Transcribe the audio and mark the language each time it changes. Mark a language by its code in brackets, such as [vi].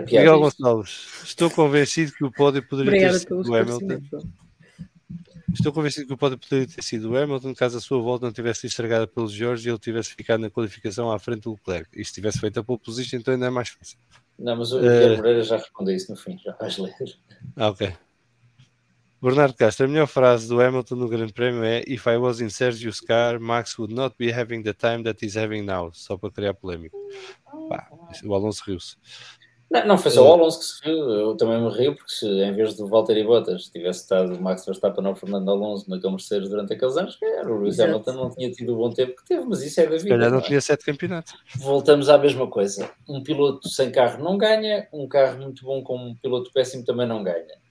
[pt] Miguel Gonçalves, estou convencido que o pódio poderia ter sido o Hamilton. Estou convencido que o pódio poderia ter sido o Hamilton caso a sua volta não tivesse sido estragada pelo Jorge e ele tivesse ficado na qualificação à frente do Leclerc. E se tivesse feito a pole position, então ainda é mais fácil. Não, mas o Pedro Moreira já respondeu isso no fim, já vais ler. Ah, ok. Bernardo Castro, a melhor frase do Hamilton no Grande Prémio é: [en] If I was in Sergio's car, Max would not be having the time that he's having now. [pt] Só para criar polémico. O Alonso riu-se. Não foi só o Alonso que se riu, eu também me rio, porque se em vez do Valtteri Bottas tivesse estado o Max Verstappen ou o Fernando Alonso naquele Mercedes durante aqueles anos, era o Lewis Hamilton, não tinha tido o bom tempo que teve, mas isso é da vida. Se calhar não tinha 7 campeonatos. Voltamos à mesma coisa, um piloto sem carro não ganha, um carro muito bom com um piloto péssimo também não ganha.